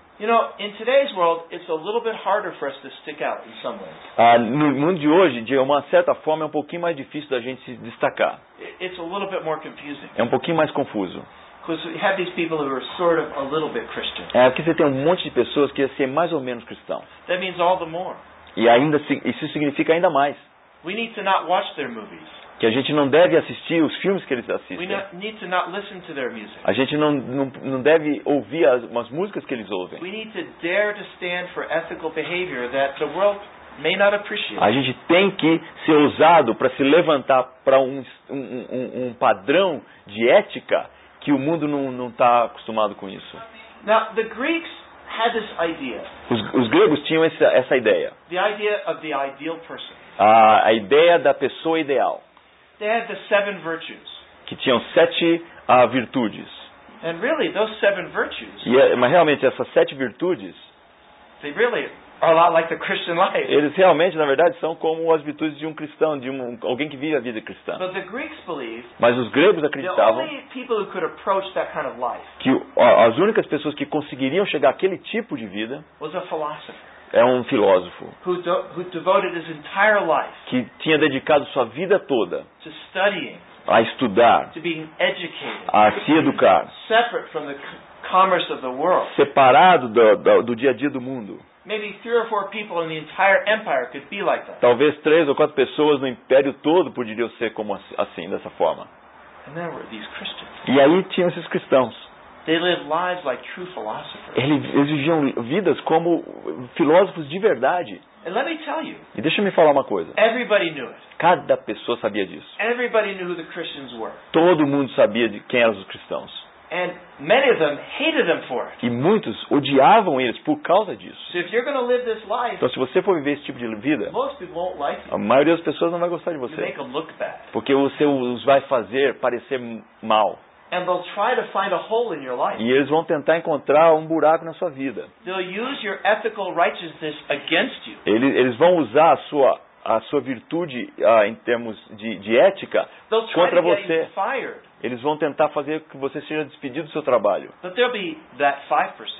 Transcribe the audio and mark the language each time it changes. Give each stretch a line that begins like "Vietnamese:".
English: You know, in today's world, it's a little bit harder for us to stick out in some ways.
Portuguese: No mundo de hoje, de uma certa forma, é um pouquinho mais difícil da gente se destacar.
English: It's a little bit more confusing.
Portuguese: É um pouquinho mais confuso.
English: was you have these people who are sort of a little bit Christian.
Portuguese: É que você tem um monte de pessoas que assim, é mais ou menos cristão.
English: That means all the more.
Portuguese: E ainda isso significa ainda mais.
English: We need to not watch their movies.
Portuguese: Que a gente não deve assistir os filmes que eles assistem.
English: We need to not listen to their music.
Portuguese: A gente não deve ouvir as músicas que eles ouvem.
English: We need to dare to stand for ethical behavior that the world may not appreciate.
Portuguese: A gente tem que ser ousado para se levantar para um padrão de ética que o mundo não está acostumado com isso.
English: Now, the Greeks had this idea.
Portuguese: Os gregos tinham essa ideia.
English: The idea of the ideal person.
Portuguese: A ideia da pessoa ideal.
English: They had the seven virtues.
Portuguese: Que tinham sete virtudes.
English: And really, those seven virtues.
Portuguese: Mas realmente essas sete virtudes.
English: They really are a lot like the Christian life.
Portuguese: Eles realmente, na verdade, são como as virtudes de um cristão, de alguém que vive a vida cristã.
English: But the Greeks believed.
Portuguese: Mas os gregos acreditavam.
English: The only people who could approach that kind of life.
Portuguese: Que as únicas pessoas que conseguiriam chegar àquele tipo de vida.
English: Was a philosopher.
Portuguese: É um filósofo
English: who devoted his entire life
Portuguese: que tinha dedicado sua vida toda
English: to studying,
Portuguese: a estudar,
English: to being educated,
Portuguese: a se educar,
English: separate from the commerce of the world.
Portuguese: Separado do dia a dia do mundo.
English: Maybe three or four people in the entire empire could be like that.
Portuguese: Talvez três ou quatro pessoas no império todo poderiam ser como assim, dessa forma.
English: And there were these Christians.
Portuguese: E aí tinham esses cristãos.
English: They lived lives like true philosophers.
Portuguese: Eles viviam vidas como filósofos de verdade.
English: And let me tell you,
Portuguese: e deixa eu me falar uma coisa.
English: Everybody knew it.
Portuguese: Cada pessoa sabia disso.
English: Everybody knew who the Christians were.
Portuguese: Todo mundo sabia de quem eram os cristãos.
English: And many of them hated them for it.
Portuguese: E muitos odiavam eles por causa disso.
English: So if you're going to live this life,
Portuguese: então, se você for viver esse tipo de vida,
English: most people won't like you.
Portuguese: A maioria das pessoas não vai gostar de você.
English: You make them look bad.
Portuguese: Porque você os vai fazer parecer mal.
English: And they'll try to find a hole in your life.
Portuguese: E eles vão tentar encontrar um buraco na sua vida.
English: They'll use your ethical righteousness against you.
Portuguese: Eles vão usar a sua virtude em termos de ética
English: they'll try
Portuguese: contra
English: to get
Portuguese: você.
English: You fired.
Portuguese: Eles vão tentar fazer que você seja despedido do seu trabalho.
English: But there'll be that 5%.